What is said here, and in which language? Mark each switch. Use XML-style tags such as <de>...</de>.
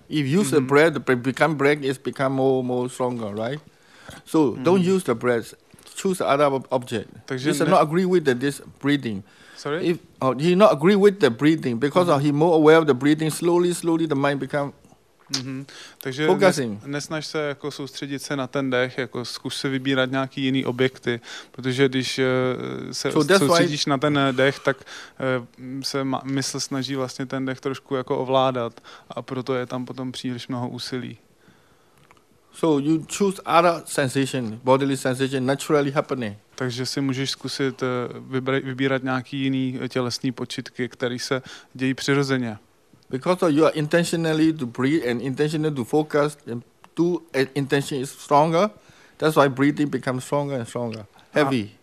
<en>If you use the breath, become breath, it's become more stronger, right? So don't use the breath, choose other object. He's not agree with this breathing. Sorry? If he not agree with the breathing, because he more aware of the breathing, slowly the mind become</en> <cs>Takže focusing. Nesnaž se jako soustředit se na ten dech, jako zkus se vybírat nějaký jiný objekty, protože když se soustředíš na ten dech, tak se mysl snaží vlastně ten dech trošku jako ovládat a proto je tam potom příliš mnoho úsilí.</cs> <en>So you choose other sensation, bodily sensation, naturally happening.</en> <cs>Takže si můžeš zkusit vybírat nějaký jiný tělesný počitky, které se dějí přirozeně.</cs> <en>Because you are intentionally to breathe and intentionally to focus and do intention is stronger, that's why breathing becomes stronger and stronger, heavy.</en>